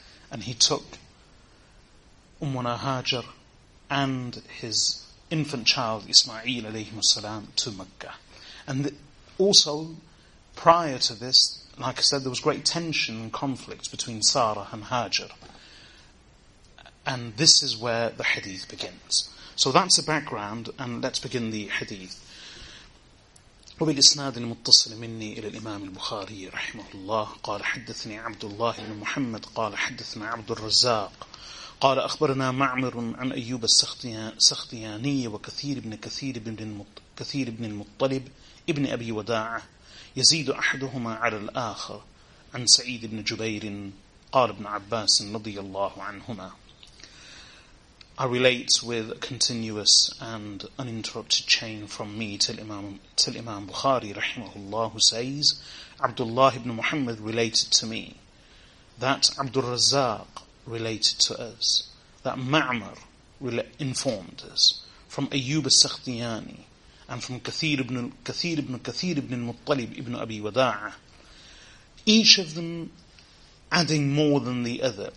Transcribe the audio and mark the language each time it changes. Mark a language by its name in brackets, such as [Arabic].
[English] And he took Ummuna Hajar and his infant child Ismail alayhi salam to Mecca. And also, prior to this, like I said, there was great tension and conflict between Sarah and Hajar. And this is where the hadith begins. So that's the background, and let's begin the hadith. [Arabic] وبالإسناد المتصل مني إلى الإمام البخاري رحمه الله قال حدثني عبد الله بن محمد قال حدثنا عبد الرزاق قال أخبرنا معمر عن أيوب السختياني وكثير بن كثير بن كثير بن المطلب ابن أبي وداعة يزيد أحدهما على الآخر عن سعيد بن جبير قال ابن عباس رضي الله عنهما. [English] I relate with a continuous and uninterrupted chain from me till Imam Bukhari rahimahullah, who says, Abdullah ibn Muhammad related to me, that Abdul Razzaq related to us, that Ma'mar informed us, from Ayyub al-Sakhtiyani, and from Kathir ibn al-Muttalib ibn Abi Wada'a, each of them adding more than the other.